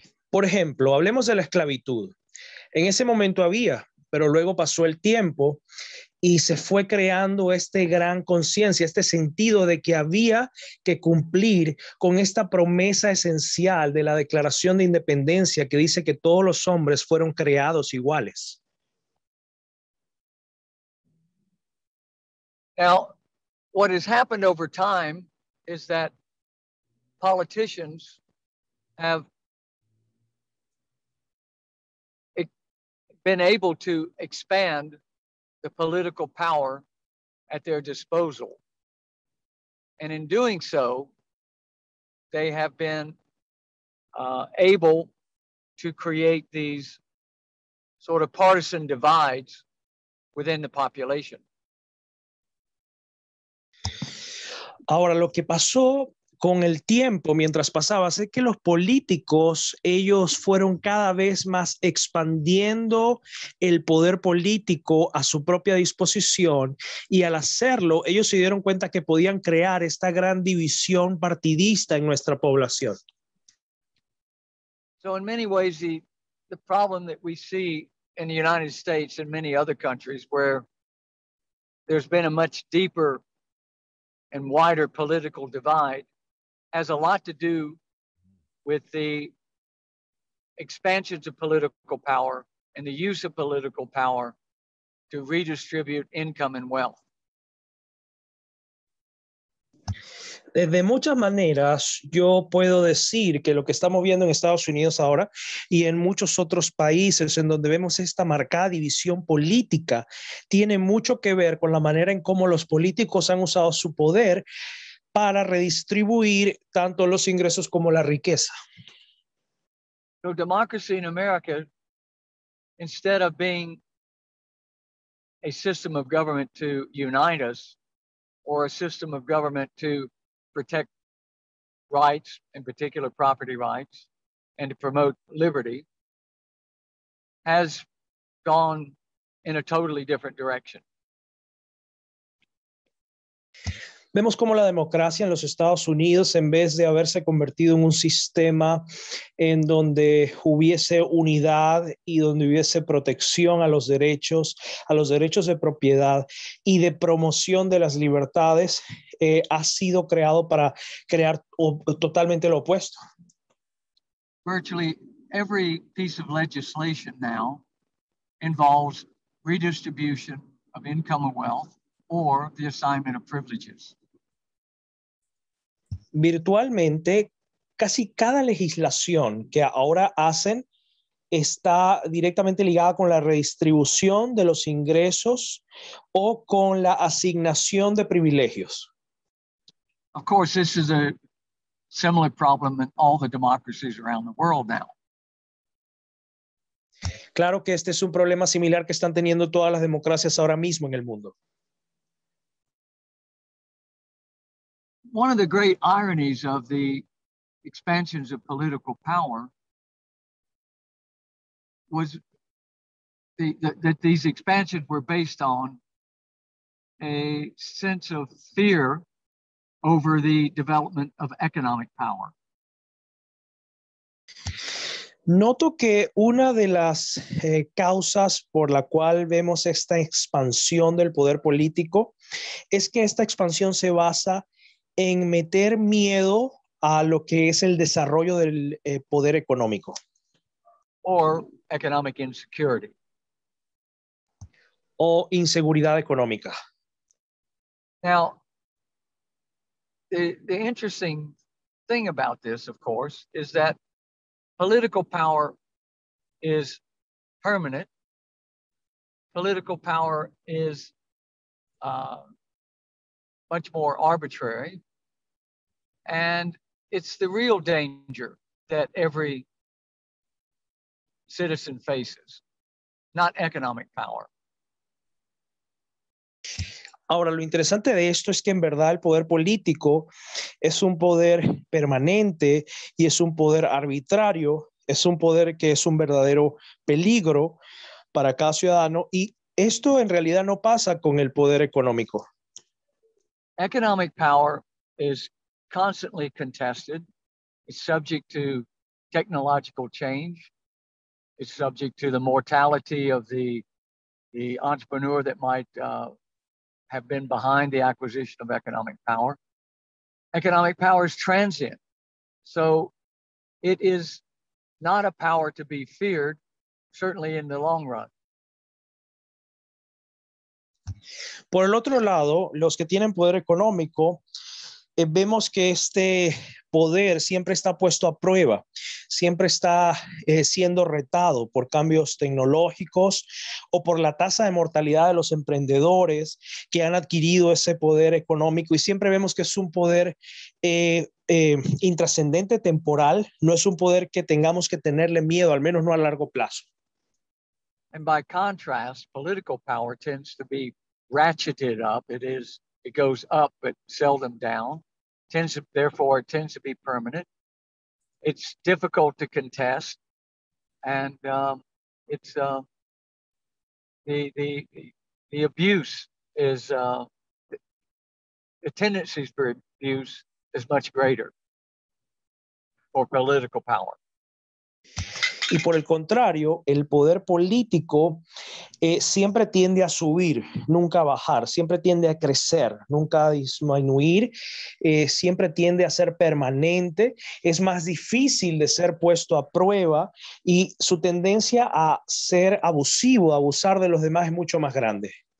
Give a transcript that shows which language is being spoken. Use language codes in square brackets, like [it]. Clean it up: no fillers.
[es] Por ejemplo, hablemos de la esclavitud. En ese momento había, pero luego pasó el tiempo y se fue creando este gran conciencia, este sentido de que había que cumplir con esta promesa esencial de la Declaración de Independencia que dice que todos los hombres fueron creados iguales. [en] Now, what has happened over time is that politicians have been able to expand the political power at their disposal. And in doing so, they have been able to create these sort of partisan divides within the population. [es] Ahora, lo que pasó con el tiempo mientras pasaba es que los políticos, ellos fueron cada vez más expandiendo el poder político a su propia disposición, y al hacerlo, ellos se dieron cuenta que podían crear esta gran división partidista en nuestra población. [en] So in many ways, the problem that we see in the United States and many other countries where there's been a much deeper and wider political divide has a lot to do with the expansions of political power and the use of political power to redistribute income and wealth. [es] De muchas maneras, yo puedo decir que lo que estamos viendo en Estados Unidos ahora y en muchos otros países en donde vemos esta marcada división política tiene mucho que ver con la manera en cómo los políticos han usado su poder para redistribuir tanto los ingresos como la riqueza. [en] So democracy in America, instead of being a system of government to unite us or a system of government to protect rights, in particular property rights, and to promote liberty, has gone in a totally different direction. [es] Vemos cómo la democracia en los Estados Unidos, en vez de haberse convertido en un sistema en donde hubiese unidad y donde hubiese protección a los derechos de propiedad y de promoción de las libertades, ha sido creado para crear totalmente lo opuesto. [en] Virtually every piece of legislation now involves redistribution of income and wealth or the assignment of privileges. [es] Virtualmente, casi cada legislación que ahora hacen está directamente ligada con la redistribución de los ingresos o con la asignación de privilegios. [en] Of course, this is a similar problem in all the democracies around the world now. [es] Claro que este es un problema similar que están teniendo todas las democracias ahora mismo en el mundo. [en] One of the great ironies of the expansions of political power was that these expansions were based on a sense of fear over the development of economic power. [es] Noto que una de las causas por la cual vemos esta expansión del poder político es que esta expansión se basa en meter miedo a lo que es el desarrollo del poder económico. [en] Or economic insecurity. [es] O inseguridad económica. [en] Now, the interesting thing about this, of course, is that political power is permanent. Political power is much more arbitrary. And it's the real danger that every citizen faces, not economic power. [es] Ahora, lo interesante de esto es que en verdad el poder político es un poder permanente y es un poder arbitrario, es un poder que es un verdadero peligro para cada ciudadano, y esto en realidad no pasa con el poder económico. [en] Economic power is constantly contested. It's subject to technological change. It's subject to the mortality of the entrepreneur that might have been behind the acquisition of economic power. Economic power is transient. So it is not a power to be feared, certainly in the long run. [es] Por el otro lado, los que tienen poder económico, vemos que este poder siempre está puesto a prueba, siempre está siendo retado por cambios tecnológicos o por la tasa de mortalidad de los emprendedores que han adquirido ese poder económico, y siempre vemos que es un poder intrascendente, temporal, no es un poder que tengamos que tenerle miedo, al menos no a largo plazo. [en] And by contrast, political power tends to be ratcheted up. It goes up but seldom down. Tends to be permanent. It's difficult to contest, and it's the abuse is the tendencies for abuse is much greater for political power. [es] Y por el contrario, el poder político siempre tiende a subir, nunca a bajar, siempre tiende a crecer, nunca a disminuir, siempre tiende a ser permanente, es más difícil de ser puesto a prueba, y su tendencia a ser abusivo, a abusar de los demás, es mucho más grande.